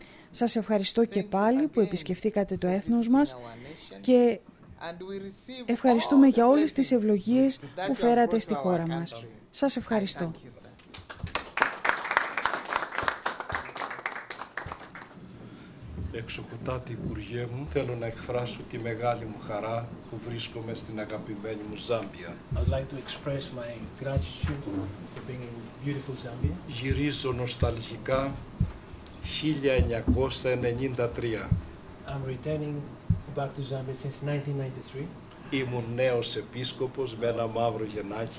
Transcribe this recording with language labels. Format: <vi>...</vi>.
<el>Σας ευχαριστώ και πάλι που επισκεφθήκατε το έθνος μας και ευχαριστούμε για όλες τις ευλογίες που φέρατε στη χώρα μας. Σας ευχαριστώ. Εξοχοτάτη Υπουργέ μου, θέλω να εκφράσω τη μεγάλη μου χαρά που βρίσκομαι στην αγαπημένη μου Ζάμπια.</el> <en>I'd like to express my gratitude for being in beautiful Zambia.</en> <el>Γυρίζω νοσταλγικά 1993.</el> <en>I'm returning back to Zambia since 1993.</en> <el>Ήμουν νέος επίσκοπος με ένα μαύρο γενάκι.</el>